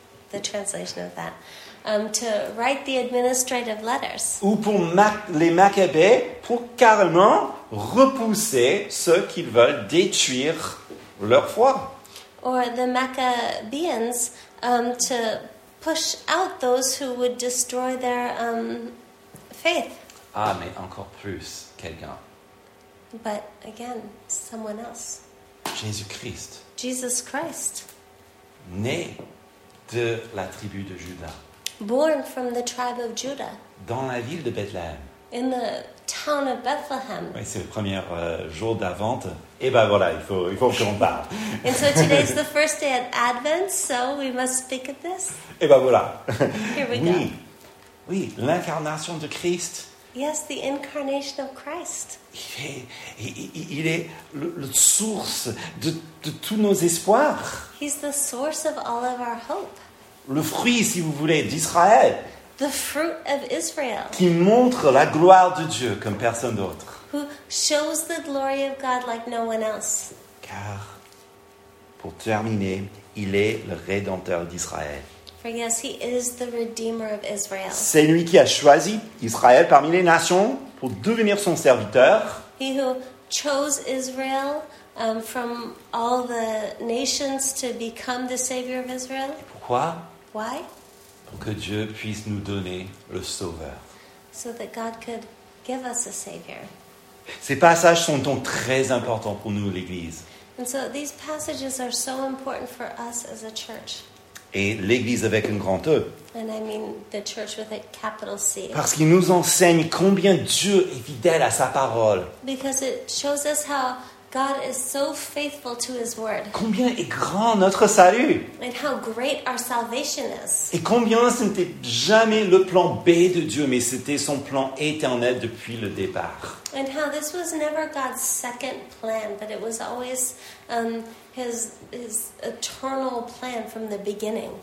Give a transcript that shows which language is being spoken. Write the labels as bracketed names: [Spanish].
[English] the translation of that. To write the administrative letters. [French] Ou pour les Maccabées, pour carrément repousser ceux qui veulent détruire leur foi. [English] Or the Maccabeans, to push out those who would destroy their faith. [French] Ah, mais encore plus, quelqu'un. [English] But again, someone else. [French] Jésus-Christ. [English] Jesus Christ. [French] Né de la tribu de Judas. [English] Born from the tribe of Judah. [French] Dans la ville de Bethléem. [English] In the town of Bethlehem. [French] Oui, c'est le premier jour d'Advent. Et ben voilà, il faut qu'on parle. [English] And so today is the first day of Advent, so we must speak of this. [French] Et ben voilà. [English] Here we [French] oui. [English] go. [French] Oui, l'incarnation de Christ. [English] Yes, the incarnation of Christ. [French] Il est la source de tous nos espoirs. [English] He's the source of all of our hope. [French] Le fruit, si vous voulez, d'Israël. [English] The fruit of Israel. [French] Qui montre la gloire de Dieu comme personne d'autre. [English] Who shows the glory of God like no one else. [French] Car, pour terminer, il est le rédempteur d'Israël. [English] For yes, he is the redeemer of Israel. [French] C'est lui qui a choisi Israël parmi les nations pour devenir son serviteur. [English] He who chose Israel from all the nations to become the savior of Israel. [French] Et pourquoi? [English] Why? [French] Pour que Dieu puisse nous donner le sauveur. [English] So that God could give us a savior. [French] Ces passages sont donc très importants pour nous, l'Église. [English] And so these passages are so important for us as a church. [French] Et l'Église avec un grand E. [English] And I mean the church with a capital C. [French] Parce qu'il nous enseigne combien Dieu est fidèle à sa parole. [English] Because it shows us how God is so faithful to his word. [French] Combien est grand notre salut. [English] And how great our salvation is. [French] Et combien ce n'était jamais le plan B de Dieu, mais c'était son plan éternel depuis le départ. [English] And how this was never God's second plan, but it was always his eternal plan from the beginning.